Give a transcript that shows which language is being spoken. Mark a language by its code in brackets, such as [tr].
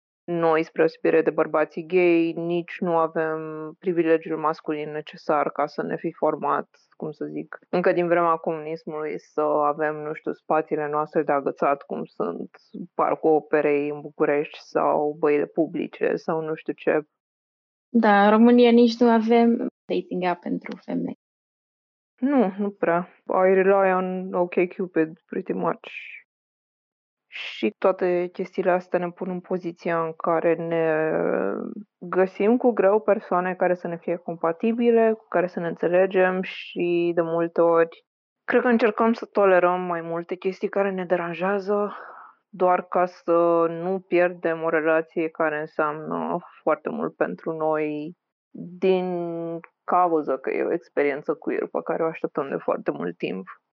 [ro] Noi, spre osebire de bărbații gay, nici nu avem privilegiul masculin necesar ca să ne fi format, cum să zic, încă din vremea comunismului, să avem, nu știu, spațiile noastre de agățat, cum sunt Parcul Operei în București sau băile publice sau nu știu ce. Da, în România nici nu avem dating app pentru femei. Nu prea. [en] I rely on OkCupid pretty much. [ro] Și toate chestiile astea ne pun în poziția în care ne găsim cu greu persoane care să ne fie compatibile, cu care să ne înțelegem și de multe ori cred că încercăm să tolerăm mai multe chestii care ne deranjează doar ca să nu pierdem o relație care înseamnă foarte mult pentru noi din cauza că e o experiență queer pe care o așteptăm de foarte mult timp.